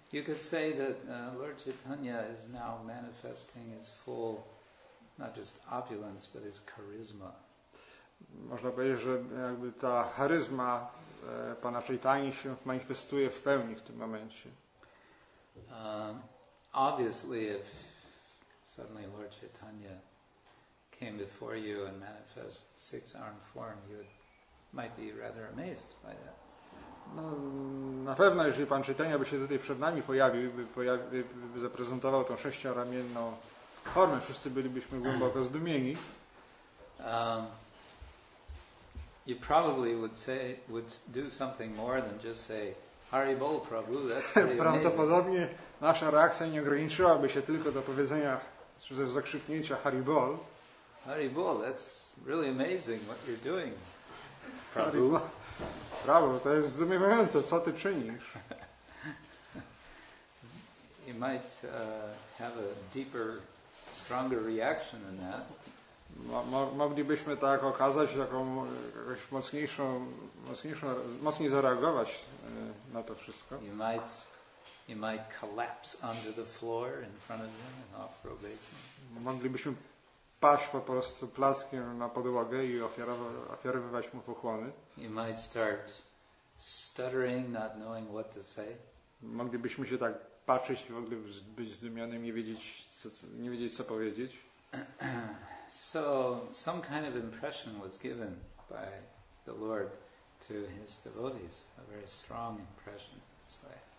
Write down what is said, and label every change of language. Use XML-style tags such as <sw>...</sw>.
<en>You could say that Lord Chaitanya is now manifesting his full, not just opulence, but his charisma.</en> <pl>Można powiedzieć, że jakby ta charyzma Pana Chaitanya się manifestuje w pełni w tym momencie.</pl> <en>Obviously, if suddenly Lord Chaitanya came before you and manifest six-armed form, you might be rather amazed by that.</en> <pl>No, na pewno, jeżeli Pan Chaitanya by się tutaj przed nami pojawił, by zaprezentował tą sześcioramienną formę, wszyscy bylibyśmy głęboko zdumieni.</pl> <en>You probably would say, would do something more than just say, Hari Bol Prabhu, that's pretty amazing.</en> <pl>Prawdopodobnie nasza reakcja nie ograniczyłaby się tylko do powiedzenia, czy zakrzyknięcia Hari Bol.</pl> <en>Hari Bol, that's really amazing what you're doing, Prabhu.</en> <pl>Prawo, to jest zdumiewające, co ty czynisz.</pl> <en>You might have a deeper, stronger reaction than that.</en> <pl>Moglibyśmy tak okazać jakąś mocniejszą, mocniej zareagować na to wszystko.</pl> <en>You might collapse under the floor in front of him and offer obeisance.</en> <pl>Moglibyśmy paść po prostu plackiem na podłogę i ofiarowywać mu pochłony.</pl> <en>You might start stuttering, not knowing what to say.</en> <pl>Moglibyśmy się tak patrzeć i w ogóle być zdumionym, nie wiedzieć co powiedzieć.</pl> <en>So some kind of impression was given by the Lord to his devotees, a very strong impression in this way.</en>